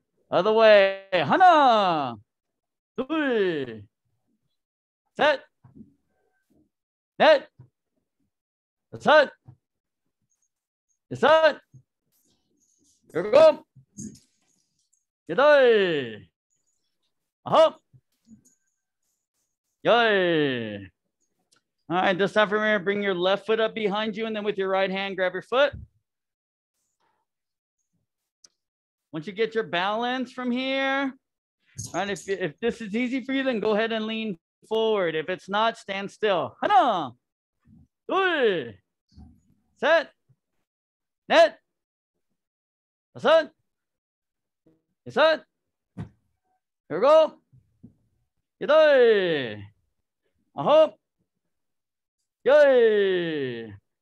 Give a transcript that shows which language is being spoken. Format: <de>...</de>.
<en>Other way.</en> <ko>하나, 둘, 셋, 넷, 여섯, 여섯, 일곱, 여덟, 아홉, 열.</ko> <en>All right, this time from here, bring your left foot up behind you and then with your right hand, grab your foot. Once you get your balance from here, right, if this is easy for you, then go ahead and lean forward. If it's not, stand still.</en> <ko>하나, 둘, 셋, 넷, 다섯, 여섯, 일곱, 여덟, 아홉, 열.</ko>